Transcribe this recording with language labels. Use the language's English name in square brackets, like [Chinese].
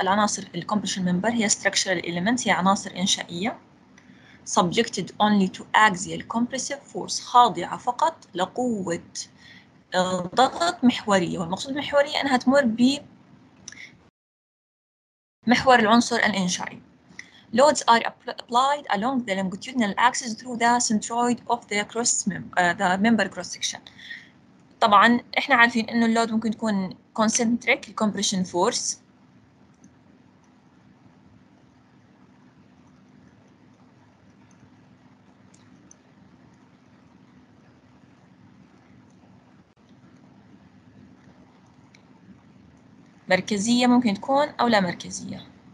[Arabic] العناصر الكومبريشن ممبر هي [English] structural elements، [Arabic] هي عناصر إنشائية [English] subjected only to axial compressive force، [Arabic] خاضعة فقط لقوة ضغط محورية، والمقصود محورية أنها تمر ب محور العنصر الإنشائي. [English] Loads are applied along the longitudinal axis through the centroid of the member cross section. [Arabic] طبعاً إحنا عارفين إنه اللود ممكن تكون [English] concentric compression force، [Arabic] مركزية ممكن تكون أو لا مركزية.